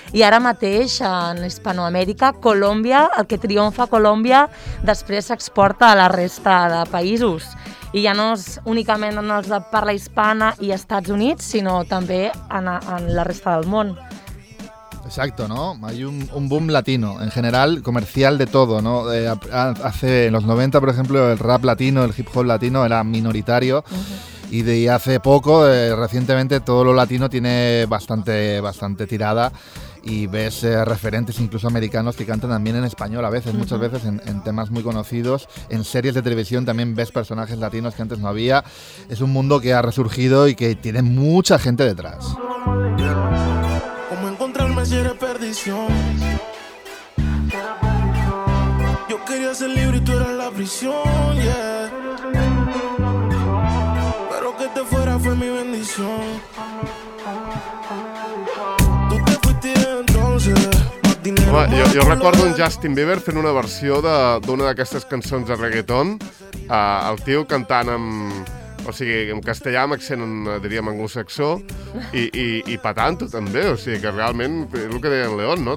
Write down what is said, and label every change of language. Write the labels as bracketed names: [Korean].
[Catalan] I ara mateix, en Hispanoamèrica, Colòmbia, el que triomfa a Colòmbia, després s'exporta a la resta de països. I ja no és únicament en els de parla hispana i Estats Units, sinó també en la resta del món. [Spanish] Exacto, ¿no? Hay un boom latino, en general, comercial de todo, ¿no? Hace, en los 90, por ejemplo, el rap latino, el hip hop latino era minoritario. Uh-huh. Y hace poco, recientemente, todo lo latino tiene bastante, bastante tirada. Y ves referentes incluso americanos que cantan también en español a veces, uh-huh, muchas veces en temas muy conocidos. En series de televisión también ves personajes latinos que antes no había. Es un mundo que ha resurgido y que tiene mucha gente detrás. Si eres perdición, yo quería ser libre y tú eras la prisión, yeah. Pero que te fuera fue mi bendición. Tú te fuiste entonces. [Catalan] Home, jo recordo un Justin Bieber fent una versió d'una d'aquestes cançons de reggaeton, el tio cantant amb... O sigui, en castellà, amb accent, diríem, anglosaxó, i patant-ho també, o sigui, que realment, és el que deia en León, no?